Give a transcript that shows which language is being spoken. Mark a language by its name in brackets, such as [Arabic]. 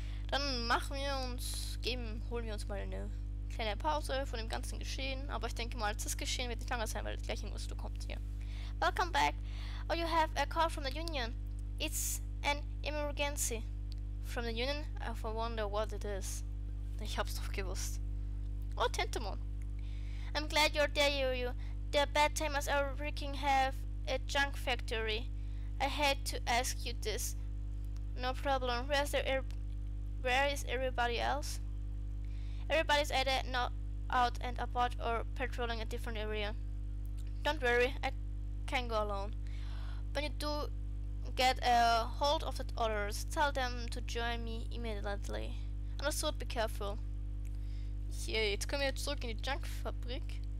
[German] Dann holen wir uns mal eine kleine Pause von dem ganzen Geschehen. Aber ich denke mal, das Geschehen wird nicht lange sein, weil gleich irgendwas du kommt hier. [English] Welcome back. Oh, you have a call from the Union. It's an emergency. From the Union? I wonder what it is. [German] Ich hab's doch gewusst. [English] Oh, Tentamon. I'm glad you're there, Yuji. The bad timers are wreaking have a junk factory. I had to ask you this. No problem. Where is everybody else? Everybody's either not out and about or patrolling a different area. Don't worry, I can go alone. When you do get a hold of the others, tell them to join me immediately. Understood, be careful. [German] Yay, jetzt kommen wir zurück in die Junkfabrik.